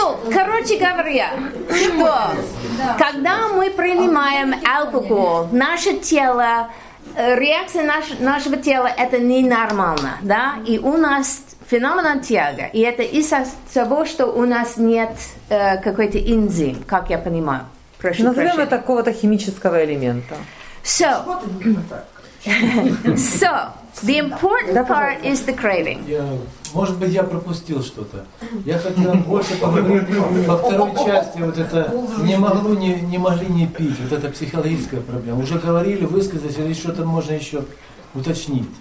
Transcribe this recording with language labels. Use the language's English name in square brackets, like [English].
[Russian] Ну, короче говоря, что когда мы принимаем алкоголь, наше тело... Реакция нашего тела – это ненормально, да? И у нас феноменон тяга, и это из-за того, что у нас нет какой-то энзим, как я понимаю. Прошу назовем это какого-то химического элемента. [English] So, so the important part is the craving. [Russian] Может быть, я пропустил что-то. Я хотел больше поговорить по второй части. Вот это не могло, не могли не пить. Вот это психологическая проблема. Уже говорили, высказались, или что-то можно еще уточнить.